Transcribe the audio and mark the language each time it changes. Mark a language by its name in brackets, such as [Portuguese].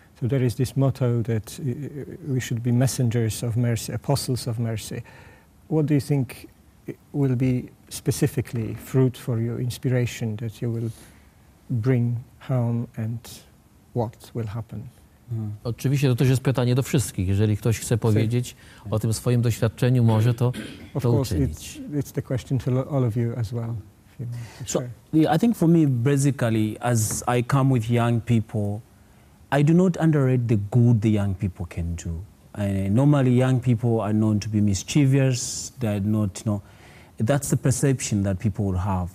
[English] So there is this motto that we should be messengers of mercy, apostles of mercy. What do you think will be specifically fruit for you, inspiration that you will bring home, and what will happen? [Polish] Oczywiście to też jest pytanie do wszystkich. Jeżeli ktoś chce powiedzieć o tym swoim doświadczeniu, może to uczynić. [English] It's the question to all of you as well. So I think for me, basically, as I come with young people, I do not underrate the good the young people can do. Normally, young people are known to be mischievous. They are not, you know, that's the perception that people would have.